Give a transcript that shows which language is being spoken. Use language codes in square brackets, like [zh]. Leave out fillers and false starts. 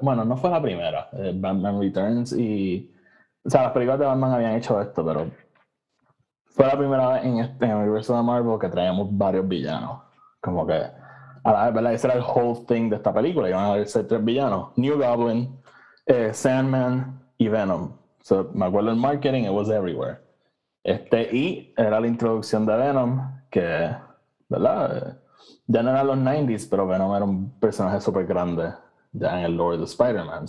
[es] Bueno, no fue la primera. Batman Returns y. O sea, las películas de Batman habían hecho esto, pero. Fue la primera vez en este en el universo de Marvel que traíamos varios villanos. Como que, a la vez, ¿verdad? Ese era el [en] whole thing [es] de esta película. Iban a ser tres villanos. New Goblin, Sandman y Venom. So, me acuerdo el marketing, [en] it was everywhere. [es] Y era la introducción de Venom, que, ¿verdad? Ya no eran los 90s, pero Venom era un personaje súper grande ya en el lore de Spider-Man.